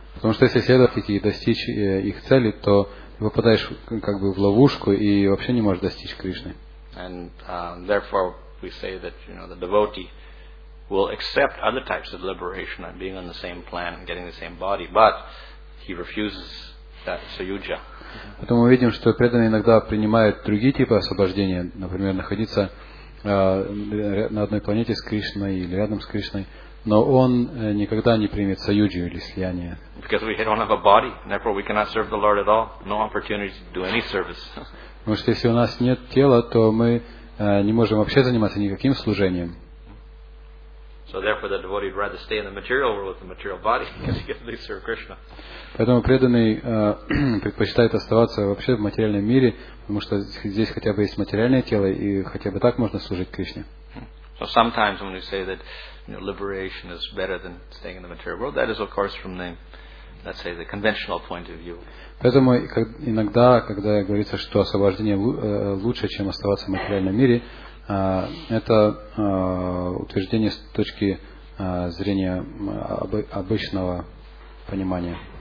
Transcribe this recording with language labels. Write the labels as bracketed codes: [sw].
[ru] Потому что если следовать и достичь их цели, то попадаешь как бы в ловушку и вообще не можешь достичь Кришны. [en] And therefore we say that, you know, the devotee will accept other types of liberation and being on the same plan and getting the same body, but he refuses that sayujya. [ru] Поэтому мы видим, что преданные иногда принимают другие типы освобождения, например, находиться на одной планете с Кришной или рядом с Кришной, но он никогда не примет саюджу или слияние. [en] Because we don't have a body, therefore we cannot serve the Lord at all. No opportunity to do any service. [ru] Потому что если у нас нет тела, то мы не можем вообще заниматься никаким служением. [en] So therefore, the devotee would rather stay in the material world with the material body because he can at least serve Krishna. [ru] Поэтому преданный предпочитает оставаться вообще в материальном мире, потому что здесь хотя бы есть материальное тело и хотя бы так можно служить Кришне. [en] So sometimes when we say that, you know, liberation is better than staying in the material world, that is of course from the, let's say, the conventional point of view. [ru] Поэтому иногда, когда говорится, что освобождение лучше, чем оставаться в материальном мире, это утверждение с точки зрения обычного понимания.